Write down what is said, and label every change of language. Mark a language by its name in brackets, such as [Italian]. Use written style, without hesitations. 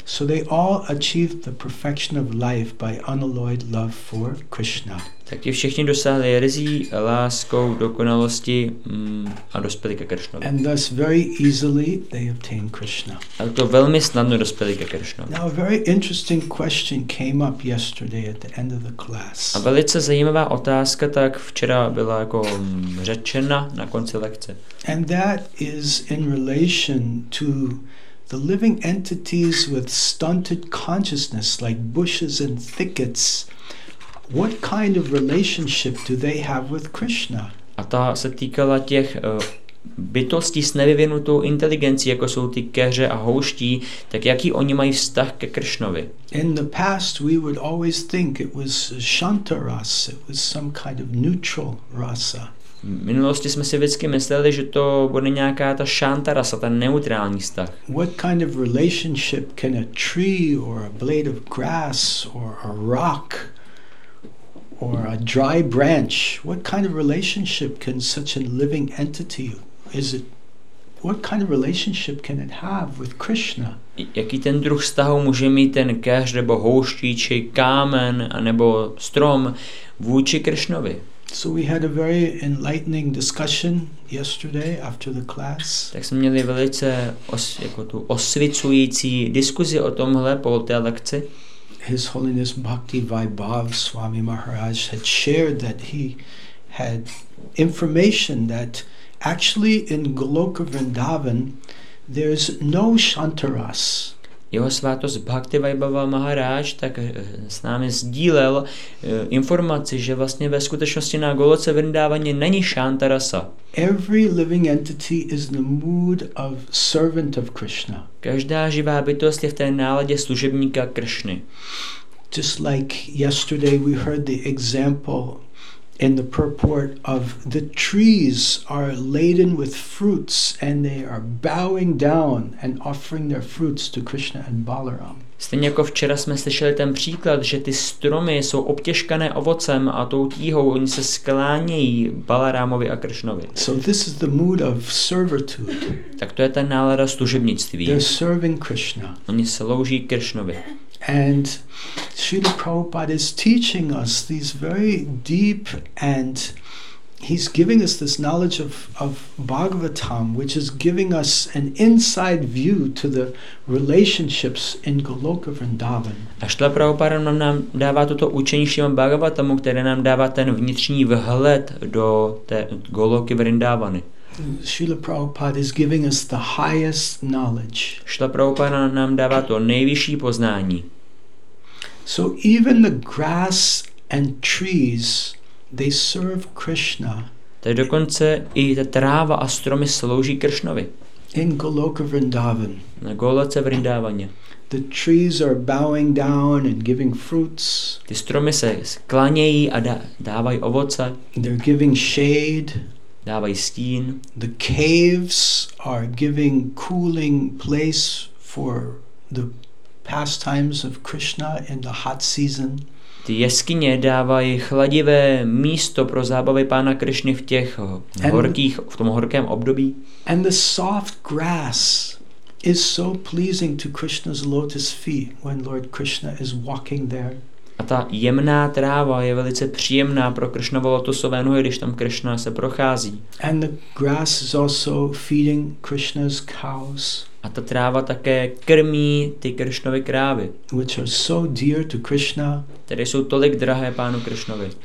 [English] So they all achieved the perfection of life by unalloyed love for Krishna. [Czech] Tak ti všichni dosáhli rizí, láskou, dokonalosti a dospěli ke Krishnovi. [English] And thus very easily they obtained Krishna. [Czech] A to velmi snadno dospěli ke Krishnovi. [English] Now a very interesting question came up yesterday at the end of the class. [Czech] A velice zajímavá otázka tak včera byla jako řečena na konci lekce. [English] And that is in relation to the living entities with stunted consciousness like bushes and thickets. What kind of relationship do they have with Krishna? [Czech] A ta se týkala těch bytosti s nevyvinutou inteligencí, jako jsou ty keře a houští, tak jaký oni mají vztah ke Kršnovi? [English] In the past we would always think it was Shanta rasa, it was some kind of neutral rasa. [Czech] V minulosti jsme si vždycky mysleli, že to bude nějaká ta Shanta rasa, ta neutrální vztah. [English] What kind of relationship can a tree or a blade of grass or a rock or a dry branch, what kind of relationship can such a living entity, is it, what kind of relationship can it have with Krishna? [Czech] Jaký ten druh vztahu může mít ten keř nebo houští či kámen nebo strom vůči Krishnovi? [English] So we had a very enlightening discussion yesterday after the class. [Czech] Tak jsme měli velice tu osvěcující diskuzi o tomhle po té lekci. [English] His Holiness Bhakti Vaibhav Swami Maharaj had shared that he had information that actually in Goloka Vrindavan there is no Shantaras. [Czech] Jeho svátost Bhakti Vaibhava Maharaj tak s námi sdílel informaci, že vlastně ve skutečnosti na Goloce Vrindavaně není Shantarasa. [English] Every living entity is in the mood of servant of Krishna. [Czech] Každá živá bytost je v té náladě služebníka Kršny. [English] Just like yesterday we heard the example in the purport of the trees are laden with fruits and they are bowing down and offering their fruits to Krishna and Balaram. [Czech] Stejně jako včera jsme slyšeli ten příklad, že ty stromy jsou obtěžkané ovocem a tou tíhou oni se sklánějí Balarámovi a Kršnovi. [English] So this is the mood of servitude. [Czech] Tak to je ta nálada služebnictví. [English] They're serving Krishna. [Czech] Oni slouží Kršnovi. [English] And Srila Prabhupada is teaching us these very deep, and he's giving us this knowledge of Bhagavatam, which is giving us an inside view to the relationships in Goloka Vrindavan. [Czech] A Srila Prabhupada nám dává toto učení Srimad Bhagavatamu, které nám dává ten vnitřní vhled do té Goloky Vrindavany. [English] Srila Prabhupada is giving us the highest knowledge. [Czech] Srila Prabhupada nám dává to nejvyšší poznání. [English] So even the grass and trees, they serve Krishna. [Czech] Tak dokonce i ta tráva a stromy slouží Kršnovi. [English] In Goloka Vrindavan. [Czech] Na Goloce Vrindavaně. [English] The trees are bowing down and giving fruits. [Czech] Ty stromy se sklánějí a dávají ovoce. [English] They're giving shade. [Czech] Dávají stín. [English] The caves are giving cooling place for the pastimes of Krishna in the hot season. [Czech] Ty jeskyně dávají chladivé místo pro zábavy pána Krišny v těch horkých, v tom horkém období. [English] And the soft grass is so pleasing to Krishna's lotus feet when Lord Krishna is walking there. [Czech] A ta jemná tráva je velice příjemná pro Krishnovo lotusové nohy, když tam Krishna se prochází. [English] And the grass is also feeding Krishna's cows. [Czech] A ta tráva také krmí ty Krishnovy krávy. [English] Which are so dear to Krishna. [Czech] Které jsou tolik drahé pánu Krishnovi.